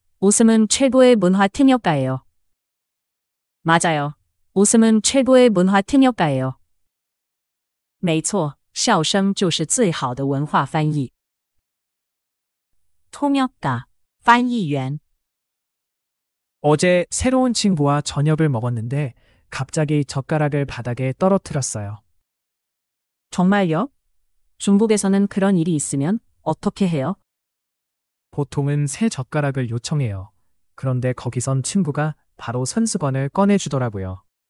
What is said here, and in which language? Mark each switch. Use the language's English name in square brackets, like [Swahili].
[Korean] 웃음은 최고의 문화 팀역가예요. 맞아요. 웃음은 최고의 문화 팀역가예요. [Chinese] 没错. 笑声就是最好的文化翻译. [Korean] 통역가, [Chinese] 翻译员. [Korean] 어제 새로운 친구와 저녁을 먹었는데 갑자기 젓가락을 바닥에 떨어뜨렸어요. 정말요? 중국에서는 그런 일이 있으면 어떻게 해요? 보통은 새 젓가락을 요청해요. 그런데 거기선 친구가 바로 손수건을 꺼내주더라고요.